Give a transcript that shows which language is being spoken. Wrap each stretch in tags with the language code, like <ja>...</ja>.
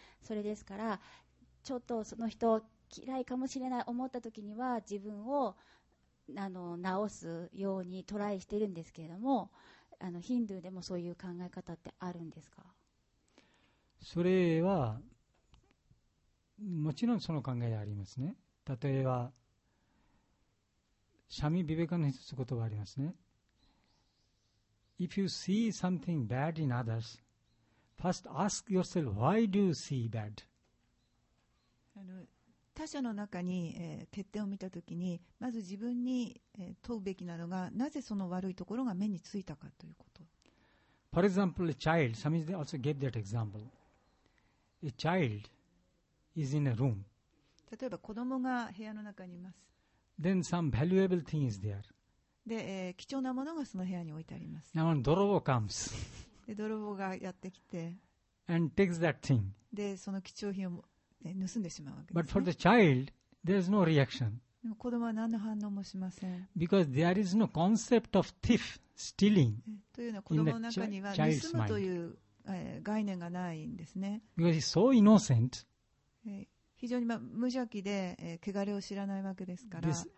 <ja>それですから、ちょっとその人嫌いかもしれない思った時には自分をあの直すようにトライしてるんですけれども、あのヒンドゥーでもそういう考え方ってあるんですか？それはもちろんその考えでありますね。例えばシャミ・ビベカの一つ言葉ありますね。</ja> <en>If you see something bad in others, first ask yourself why do you see bad?</en> <ja>他者の中に、欠点を見たときに、まず自分に、問うべきなのが、なぜその悪いところが目についたかということ。</ja> <en>For example, a child, Samiz also gave that example. A child is in a room.</en> <ja>例えば子供が部屋の中にいます。</ja> <en>Then some valuable thing is there.</en> <ja>で、貴重なものがその部屋に置いてあります。</ja> <en>Now, when 泥棒 comes.</en> <ja>で、泥棒がやってきて。</ja> <en>And takes that thing.</en> <ja>で、その貴重品を盗んでしまうわけですね。</ja> <en>But for the child, there is no reaction.</en> <ja>でも子供は何の反応もしません。</ja> <en>Because there is no concept of thief, stealing.</en> <ja>というのは子供の中には盗むという概念がないんですね。</ja> <en>Because he's so innocent.</en> <ja>非常に、まあ、無邪気で、汚れを知らないわけですから。</ja>